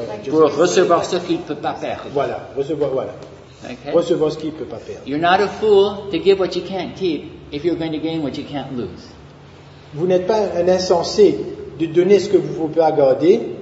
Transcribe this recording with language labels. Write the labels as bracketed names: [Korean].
[French] Pour recevoir ce qu'il ne peut pas perdre. Voilà, recevoir, voilà. Okay. Recevoir ce qu'il ne peut pas perdre. [English] You're not a fool to give what you can't keep if you're going to gain what you can't lose. [French] Vous n'êtes pas un insensé de donner ce que vous ne pouvez pas garder